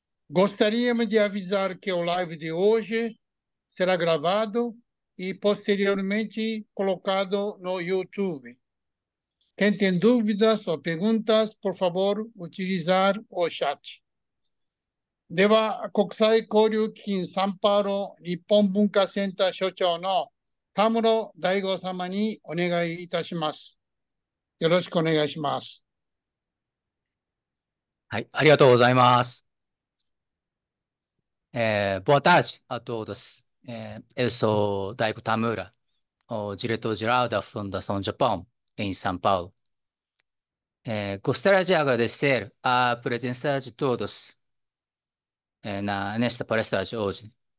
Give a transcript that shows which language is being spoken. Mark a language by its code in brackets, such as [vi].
[pt] Gostaríamos de avisar que o live de hoje será gravado e posteriormente colocado no YouTube. Quem tem dúvidas ou perguntas, por favor, utilizar o chat. [ja] では、国際交流基金サンパウロ日本文化センター所長の田室大吾様にお願いいたします。よろしくお願いします。はい、ありがとうございます。 [pt] Boa tarde a todos. Eu sou Daigo Tamura, o diretor-geral da Fundação Japão, em São Paulo. Gostaria de agradecer a presença de todos nesta palestra de hoje.